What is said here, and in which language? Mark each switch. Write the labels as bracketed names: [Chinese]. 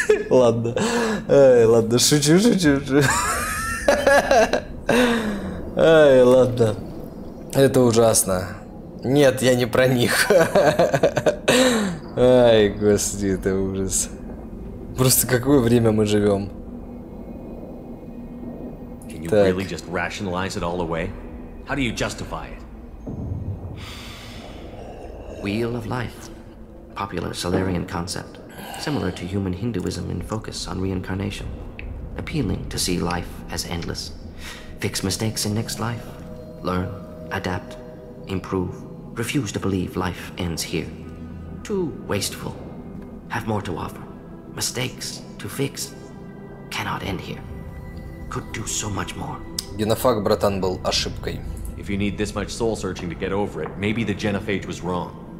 [Russian] Ладно. Эй, ладно, шучу. Эй, ладно. Это ужасно. Нет, я не про них. Ай, господи, это ужас. Просто какое время мы живем. [English] Can you really just rationalize it all away? How do you justify it? Wheel of life. Popular Solarian concept. Similar to human Hinduism in focus on reincarnation. Appealing to see life as endless. Fix mistakes in next life. Learn, adapt, improve. Refuse to believe life ends here. Too wasteful. Have more to offer. Mistakes to fix cannot end here. Could do so much more. [Russian] Генофаг, братан, был ошибкой. [English] If you need this much soul searching to get over it, maybe the genophage was wrong.